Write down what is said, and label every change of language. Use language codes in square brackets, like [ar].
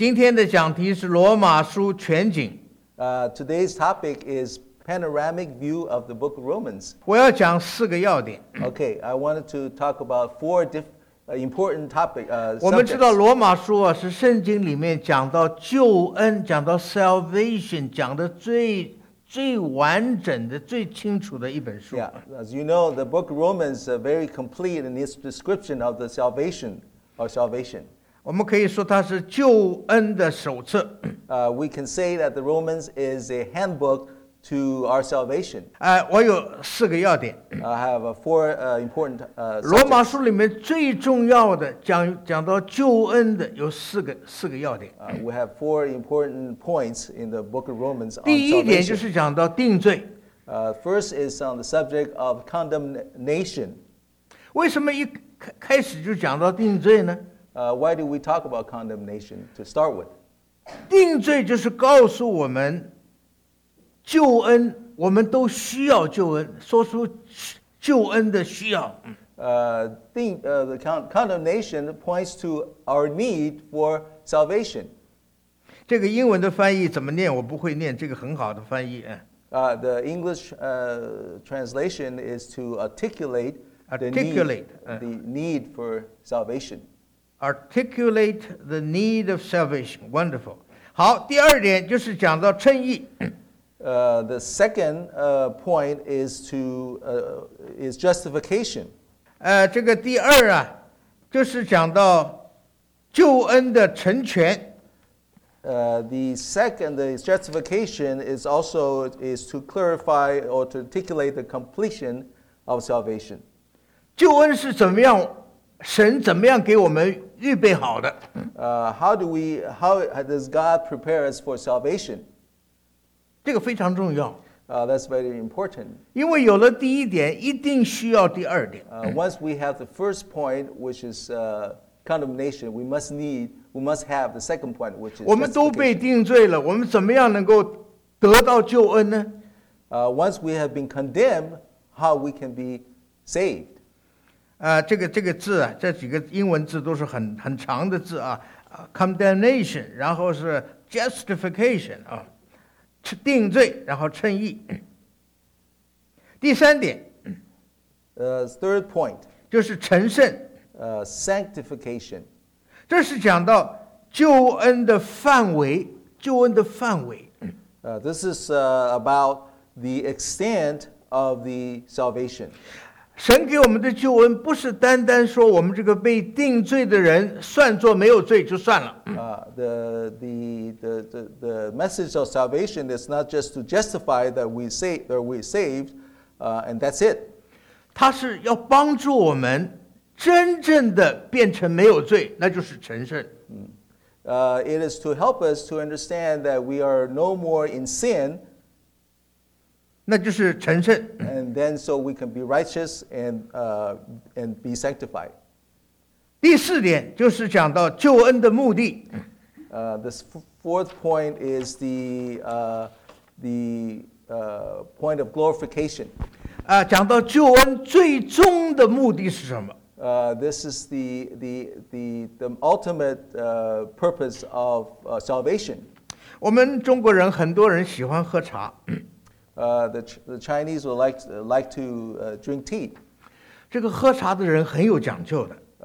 [zh] 今天的讲题是罗马书全景。 [en] Today's topic is panoramic view of the book of Romans. [zh] 我要讲四个要点。 [en] Okay, I wanted to talk about four important topics. [zh] 我们知道罗马书啊是圣经里面讲到救恩、讲到 salvation、讲的最完整的、最清楚的一本书。 [en] Yeah, as you know, the book of Romans is very complete in its description of the salvation or salvation. [zh] 我们可以说它是救恩的手册。 [en] We can say that the Romans is a handbook to our salvation. [zh] 我有四个要点。 [en] I have four important. [zh] 罗马书里面最重要的讲到救恩的有四个要点。 [en] We have four important points in the book of Romans on [zh] salvation. 第一点就是讲到定罪。 [en] First is on the subject of condemnation. [zh] 为什么一开始就讲到定罪呢？ [en] Why do we talk about condemnation to start with? [zh] 定罪就是告诉我们救恩，我们都需要救恩，说出救恩的需要。 [en] The condemnation points to our need for salvation. [zh] 这个英文的翻译怎么念？我不会念这个很好的翻译。 [en] The English translation is to articulate the need for salvation. Articulate the need of salvation. Wonderful. [zh] 好，第二点就是讲到称义。 [en] The second point is justification. [zh] 这个第二啊，就是讲到救恩的成全。 [en] The justification is also to clarify or to articulate the completion of salvation. [zh] 救恩是怎么样？神怎么样给我们预备好的？ [en] How does God prepare us for salvation? [zh] 这个非常重要。 [en] That's very important. [zh] 因为有了第一点，一定需要第二点。 [en] Once we have the first point, which is condemnation, we must have the second point, which is. [zh] 我们都被定罪了，我们怎么样能够得到救恩呢？ [en] Once we have been condemned, how we can be saved? [zh] 这个字啊，这几个英文字都是很长的字啊 ，condemnation， 然后是 justification 啊，定罪，然后称义。第三点 [en] ，third point， [zh] 就是成圣 [en] ，sanctification， [zh] 这是讲到救恩的范围，救恩的范围。 [en] This is about the extent of the salvation. [zh] 神给我们的救恩不是单单说我们这个被定罪的人算作没有罪就算了。 [en] The message of salvation is not just to justify that we saved, and that's it. [zh] 它是要帮助我们真正的变成没有罪，那就是成圣。 [en] It is to help us to understand that we are no more in sin. [zh] 那就是成圣。 [en] And then so we can be righteous and be sanctified. [zh] 第四点就是讲到救恩的目的。 [en] This fourth point is the point of glorification. [zh] 讲到救恩最终的目的是什么？ [en] This is the ultimate purpose of salvation. [zh] 我们中国人很多人喜欢喝茶。 [en] The Chinese would like to drink tea. [zh] 这个喝茶的人很有讲究的。